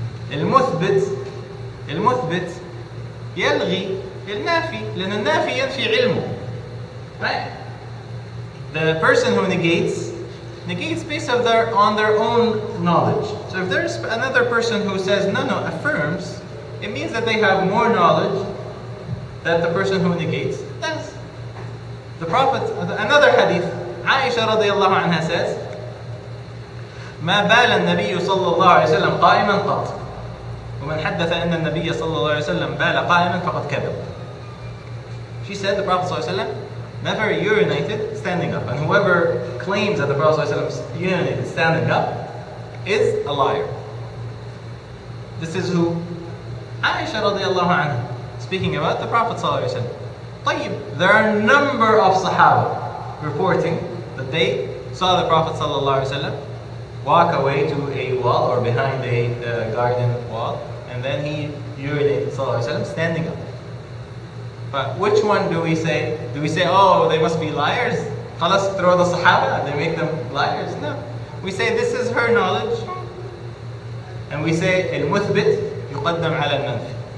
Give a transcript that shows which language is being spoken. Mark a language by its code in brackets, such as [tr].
[ar] المثبت المثبت يلغي النافي لأن النافي ينفي علمه. [en] Right? The person who negates based on their own knowledge. So if there's another person who says, no, affirms, it means that they have more knowledge than the person who negates does. The Prophet, another hadith, Aisha radiallahu anha says, [ar] مَا بَالَ النَّبِيُّ صَلَّى اللَّهُ عَلَيْهِ وَسَلَّمْ قَائِمًا قَطْ وَمَنْ حَدَّثَ أَنَّ النَّبِيَّ صَلَّى اللَّهُ عَلَيْهِ وَسَلَّمْ بَالَ قَائِمًا فَقَدْ كَذَبْ. [en] She said, the Prophet صلى الله عليه وسلم never urinated standing up. And whoever claims that the Prophet ﷺ urinated standing up is a liar. This is who? Aisha radiallahu anha. Speaking about the Prophet ﷺ. طيب. There are a number of Sahaba reporting that they saw the Prophet ﷺ walk away to a wall or behind a garden wall and then he urinated ﷺ standing up. But which one do we say? Do we say, oh, they must be liars? Khalas, throw the Sahaba, they make them liars? No. We say, this is her knowledge. [ar] And we say, المثبت يقدم على المنفي.